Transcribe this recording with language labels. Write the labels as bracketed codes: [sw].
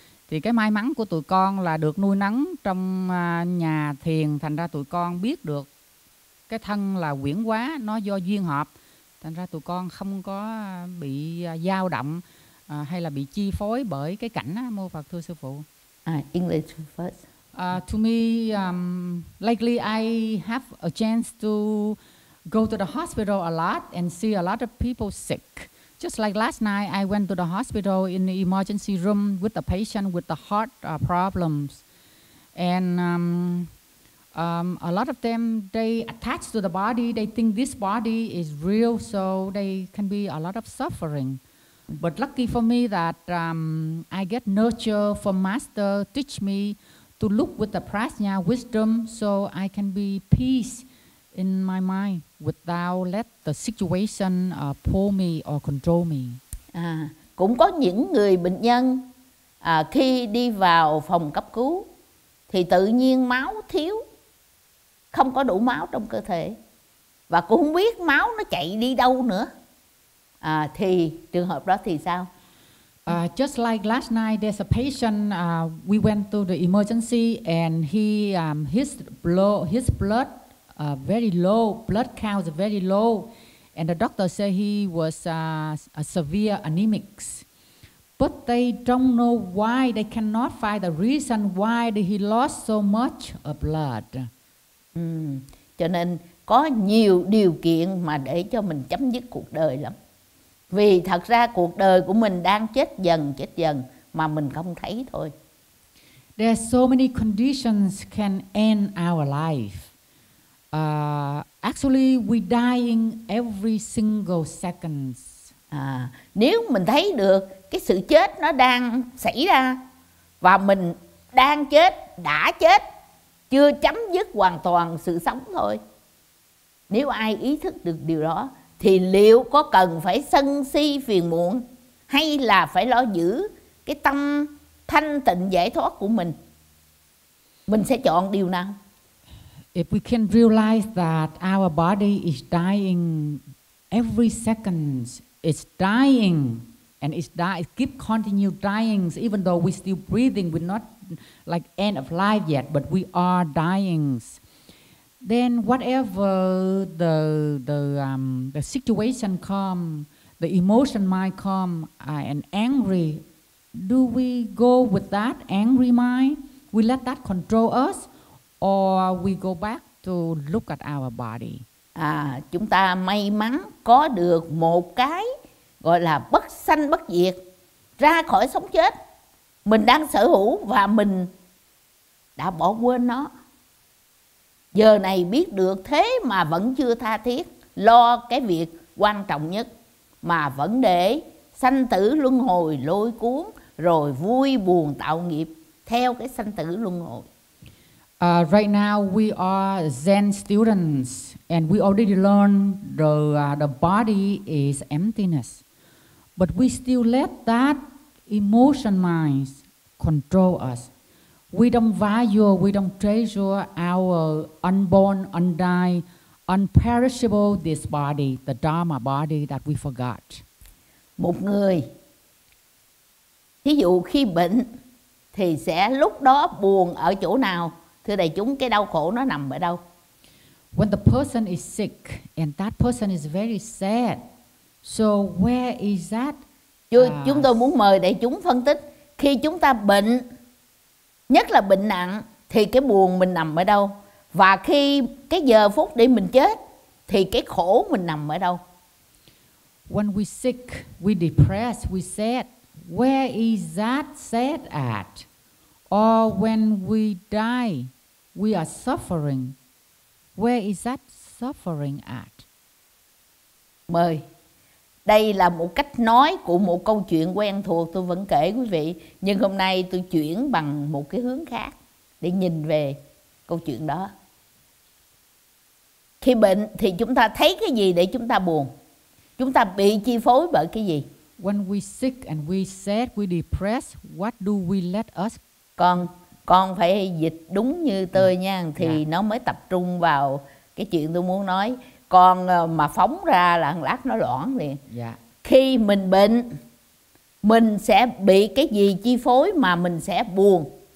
[vi] Thì cái may mắn của tụi con là được nuôi nấng trong nhà thiền, thành ra tụi con biết được cái thân là quyển hóa, nó do duyên hợp. Thành ra tụi con không có bị dao động hay là bị chi phối bởi cái cảnh á, mô Phật, thưa sư phụ. [en] English first. To me, lately I have a chance to go to the hospital a lot and see a lot of people sick. Just like last night, I went to the hospital in the emergency room with a patient with the heart problems. And a lot of them, they attach to the body, they think this body is real, so they can be a lot of suffering. But lucky for me that I get nurture from Master, teach me to look with the prajna wisdom, so I can be peace in my mind without let the situation pull me or control me. [vi] cũng có những người bệnh nhân khi đi vào phòng cấp cứu thì tự nhiên máu thiếu, không có đủ máu trong cơ thể và cũng không biết máu nó chạy đi đâu nữa. Thì trường hợp đó thì sao? [en] Just like last night, there's a patient. We went to the emergency and he his blood very low, blood count very low, and the doctor said he was a severe anemic. But they don't know why, they cannot find the reason why he lost so much of blood. [vi] Cho nên có nhiều điều kiện mà để cho mình chấm dứt cuộc đời lắm. Vì thật ra cuộc đời của mình đang chết dần mà mình không thấy thôi. [en] There are so many conditions can end our life. Actually, we dying every single seconds. [vi] Nếu mình thấy được cái sự chết nó đang xảy ra và mình đang chết, đã chết, chưa chấm dứt hoàn toàn sự sống thôi. Nếu ai ý thức được điều đó thì liệu có cần phải sân si phiền muộn hay là phải lo giữ cái tâm thanh tịnh giải thoát của mình? Mình sẽ chọn điều nào? [en] If we can realize that our body is dying every second, it's dying and it's die, keep continue dying, even though we're still breathing, we're not like end of life yet, but we are dying. Then whatever the situation come, the emotion might come, and angry, do we go with that angry mind? We let that control us, or we go back to look at our body? [vi] Chúng ta may mắn có được một cái gọi là bất sanh bất diệt, ra khỏi sống chết, mình đang sở hữu và mình đã bỏ quên nó. Giờ này biết được thế mà vẫn chưa tha thiết lo cái việc quan trọng nhất, mà vẫn để sanh tử luân hồi lôi cuốn, rồi vui buồn tạo nghiệp theo cái sanh tử luân hồi. [en] Right now we are Zen students and we already learned the body is emptiness, but we still let that emotion mind control us. We don't value, we don't treasure our unborn, undying, unperishable this body, the Dharma body that we forgot. [vi] Một người, ví dụ khi bệnh, thì sẽ lúc đó buồn ở chỗ nào? Thưa đại chúng, cái đau khổ nó nằm ở đâu? [en] When the person is sick and that person is very sad, so where is that? [vi] Chúng tôi muốn mời đại chúng phân tích khi chúng ta bệnh, nhất là bệnh nặng, thì cái buồn mình nằm ở đâu? Và khi cái giờ phút để mình chết thì cái khổ mình nằm ở đâu? [en] When we sick, we depressed, we sad, where is that sad at? Or when we die, we are suffering, where is that suffering at? [vi] Mời. Đây là một cách nói của một câu chuyện quen thuộc tôi vẫn kể quý vị, nhưng hôm nay tôi chuyển bằng một cái hướng khác để nhìn về câu chuyện đó. Khi bệnh thì chúng ta thấy cái gì để chúng ta buồn? Chúng ta bị chi phối bởi cái gì? [en] When we sick and we sad, we depressed, what do we let us? [vi] Con phải dịch đúng như tôi nha, thì nó mới tập trung vào cái chuyện tôi muốn nói. Còn mà phóng ra là lát nó loãng liền. Khi mình bệnh, mình sẽ bị cái gì chi phối mà mình sẽ buồn?